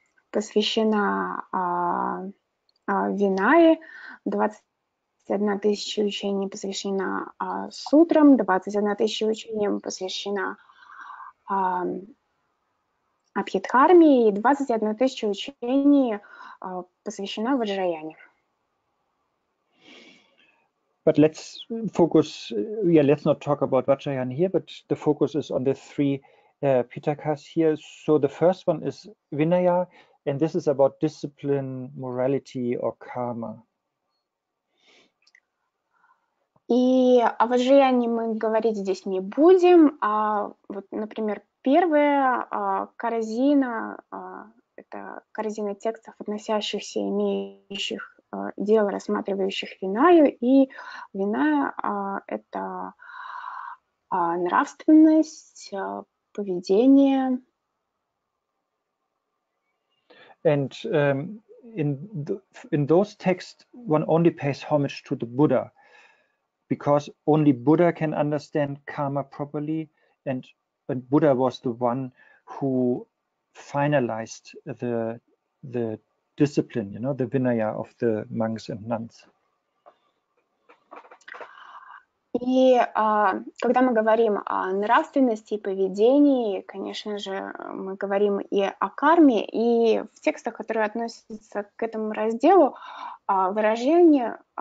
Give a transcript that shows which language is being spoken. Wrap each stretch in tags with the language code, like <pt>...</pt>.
<ru>посвящена Винае, 21 тысяча учений посвящена сутрам, 21 тысяча учений посвящена Абхидхарме и 21 тысяча учений посвящена Ваджраяне.</ru> <en>But let's focus, yeah, let's not talk about Vajrayana here, but the focus is on the three Peter Kass here. So the first one is Vinaya, and this is about discipline, morality, or karma.</en> <ru>И о воздаянии мы говорить здесь не будем. А вот, например, первая корзина – это корзина текстов, относящихся, имеющих дело, рассматривающих Винаю. И Виная – это нравственность, поведение.</ru> <en>And in those texts, one only pays homage to the Buddha. Because only Buddha can understand karma properly, and Buddha was the one who finalized the discipline, you know, the Vinaya of the monks and nuns.</en> <ru>И когда мы говорим о нравственности и поведении, конечно же, мы говорим и о карме, и в текстах, которые относятся к этому разделу, выражение</ru>